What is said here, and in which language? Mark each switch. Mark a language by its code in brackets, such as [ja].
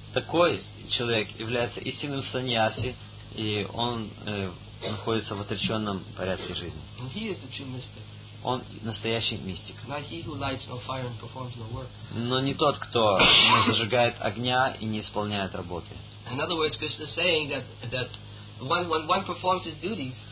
[ru] Такой человек является истинным сannyasi, и он находится в отреченном порядке жизни. [en] And he is the true mystic. [ru] Он настоящий мистик. [en] Not he who lights no fire and performs no work. [ru] Но не тот, кто не зажигает огня и не исполняет работы. [en] In other words, Krishna is saying that when one performs his duties.